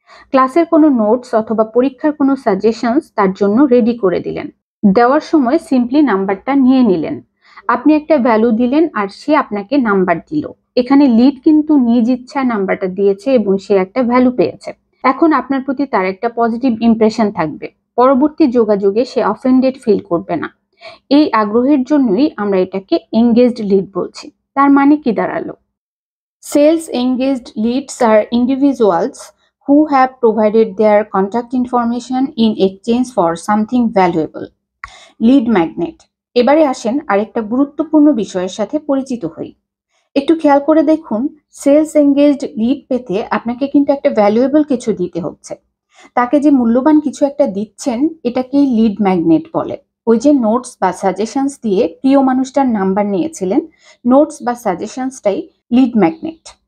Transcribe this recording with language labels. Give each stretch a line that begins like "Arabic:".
Bangla: ক্লাসের কোনো নোটস অথবা পরীক্ষার কোনো সাজেশনস তার জন্য রেডি করে দিলেন, দেওয়ার সময় সিম্পলি নাম্বারটা নিয়ে নিলেন, আপনি একটা ভ্যালু দিলেন আর সে আপনাকে নাম্বার দিল। এখানে লিড কিন্তু নিজ ইচ্ছা নাম্বারটা দিয়েছে এবং সে একটা ভ্যালু পেয়েছে। এখন আপনার প্রতি তার একটা পজিটিভ ইমপ্রেশন থাকবে, পরবর্তী যোগাযোগে সে অফেন্ডেড ফিল করবে না। এই আগ্রহের জন্যই আমরা এটাকে এঙ্গেজড লিড বলছি। তার মানে কি দাঁড়ালো?
English: Sales engaged leads আর individuals who have provided their contact information in exchange for something valuable. Lead magnet.
Bangla: এবারে আসেন আরেকটা গুরুত্বপূর্ণ বিষয়ের সাথে পরিচিত হই। একটু খেয়াল করে দেখুন, সেলস এঙ্গেজড লিড পেতে আপনাকে কিন্তু একটা ভ্যালুয়েবল কিছু দিতে হচ্ছে। তাকে যে মূল্যবান কিছু একটা দিচ্ছেন এটাকেই লিড ম্যাগনেট বলে। ওই যে নোটস বা সাজেশনস দিয়ে প্রিয় মানুষটার নাম্বার নিয়েছিলেন, নোটস বা সাজেশনসটাই লিড ম্যাগনেট।